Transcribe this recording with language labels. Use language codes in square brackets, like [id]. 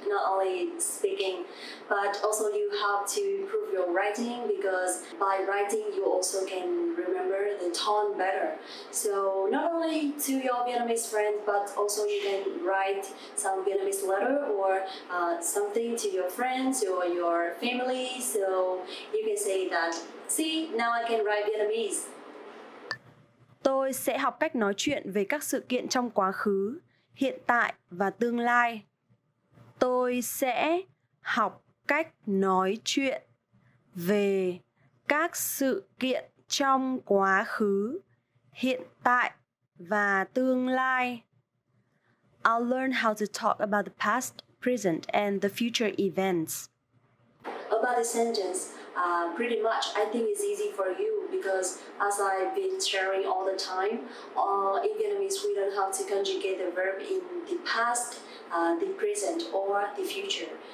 [en] Not only speaking, but also you have to improve your writing because by writing you also can remember the tone better. So not only to your Vietnamese friends, but also you can write some Vietnamese letter or something to your friends or your family. So you can say that, see, now I can write Vietnamese. [vi] Tôi sẽ học cách nói chuyện về các sự kiện trong quá khứ, hiện tại và tương lai. Tôi sẽ học cách nói chuyện về các sự kiện trong quá khứ, hiện tại và tương lai. [en] I'll learn how to talk about the past, present, and the future events. About the sentence, pretty much, I think it's easy for you because as I've been sharing all the time, in Vietnamese, we don't have to conjugate the verb in the past, the present, or the future.